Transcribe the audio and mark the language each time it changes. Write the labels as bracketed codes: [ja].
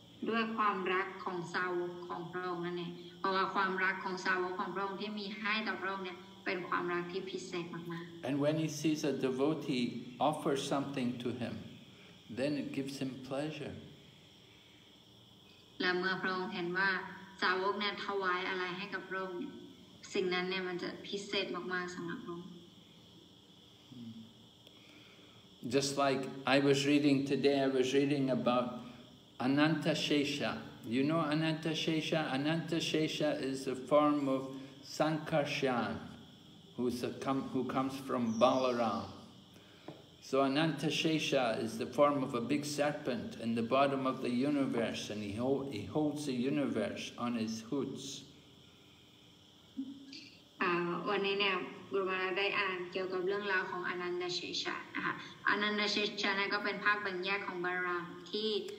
[th] ด้วยความรักของสาวกของพระองค์นั่นเองเพราะว่าความรักของสาวกของพระองค์ที่มีให้ต่อพระองค์เนี่ยเป็นความรักที่พิเศษมาก [en] ๆ And when he sees a devotee offer something to him then it gives him pleasure [th] และเมื่อพระองค์เห็นว่าสาวกเนี่ยถวายอะไรให้กับพระองค์เนี่ยสิ่งนั้นเนี่ยมันจะพิเศษมากๆสําหรับพระองค์ [en] Just like I was reading today I was reading aboutAnanta Shesha. You know Ananta Shesha? Ananta Shesha is a form of Sankarshan who comes from Balaram. So Ananta Shesha is the form of a big serpent in the bottom of the universe and he holds the universe on his hoods. [th] วันนี้เนี่ยบุรุษได้อ่านเกี่ยวกับเรื่องราวของAnanta Shesha นะคะ Ananta Shesha เนี่ยก็เป็นภาคแบ่งแยกของบาลารามที่